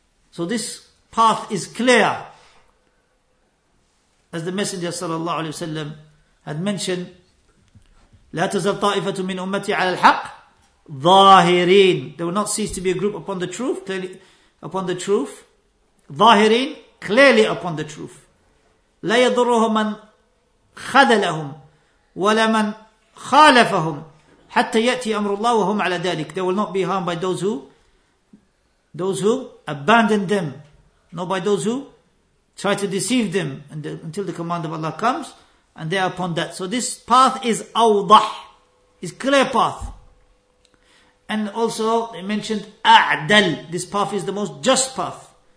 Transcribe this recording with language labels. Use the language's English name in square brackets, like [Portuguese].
[English] So this path is clear. As the Messenger sallallahu alaihi wasallam had mentioned, [Arabic] لا تزال طائفة من أمتي على الحق ظاهرين. [English] They will not cease to be a group upon the truth, clearly upon the truth. ظاهرين, clearly upon the truth. [Arabic] لا يضرهم من خذلهم ولا من خالفهم حتى يأتي أمر الله وهم على ذلك. [English] They will not be harmed by those who abandon them, nor by those who try to deceive them until the command of Allah comes, and they are upon that. So this path is awdah, is clear path. And also they mentioned a'dal. This path is the most just path.